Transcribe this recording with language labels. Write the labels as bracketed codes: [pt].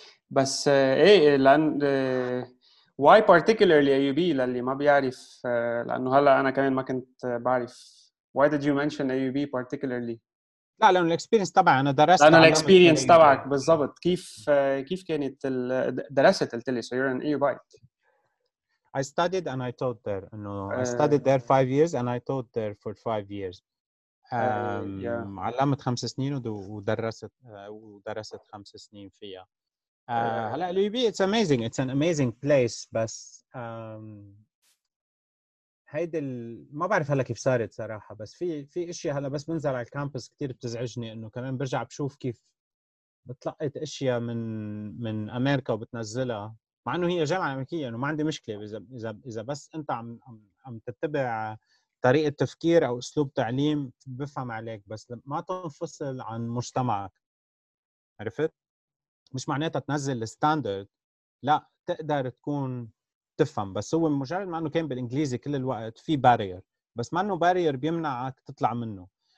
[ar] بس ايه لان [en] why particularly [ar] AUB للي ما بيعرف لانه هلا انا كمان ما كنت بعرف [en] why did you mention AUB particularly [ar] لا لانه الاكسبيرينس تبعي انا درست لانه الاكسبيرينس تبعك بالضبط كيف كانت درست قلت لي [en] so you're an AUBite I studied and I taught there no, I studied there 5 years and I taught there for 5 years [ar] علمت 5 سنين ودرست 5 سنين فيها. هلا اليوبي [en] it's amazing it's an amazing place [ar] بس هيدا ما بعرف هلا كيف صارت صراحة بس في أشياء هلا بس بنزل على الكامبس كتير بتزعجني إنه كمان برجع بشوف كيف بتلقيت اشياء من امريكا وبتنزلها، مع انه هي جامعه امريكيه، انه ما عندي مشكله اذا اذا اذا بس انت عم تتبع طريقه تفكير او اسلوب تعليم بفهم عليك، بس ما تنفصل عن مجتمعك، عرفت؟ مش معناتها تنزل الستاندرد، لا تقدر تكون تفهم، بس هو مجرد ما انه كان بالانجليزي كل الوقت في بارير، بس ما انه بارير بيمنعك تطلع منه.